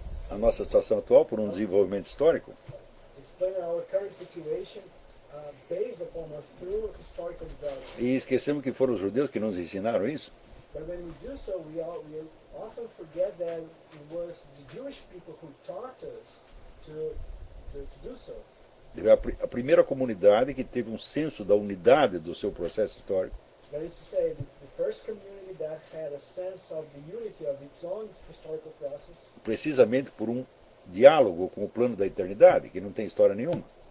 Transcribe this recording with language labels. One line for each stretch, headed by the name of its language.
Portuguese: a nossa situação atual por um desenvolvimento histórico.
English: Explain our current situation based upon or through historical development.
Portuguese: E esquecemos que foram os judeus que nos ensinaram isso.
English: But when we do so, we often forget that it was the Jewish people who taught us to do so.
Portuguese: A primeira comunidade que teve um senso da unidade do seu processo histórico.
English: That is to say, the first community that had a sense of the unity of its own historical process.
Portuguese: Precisamente por um diálogo com o plano da eternidade, que não tem história nenhuma.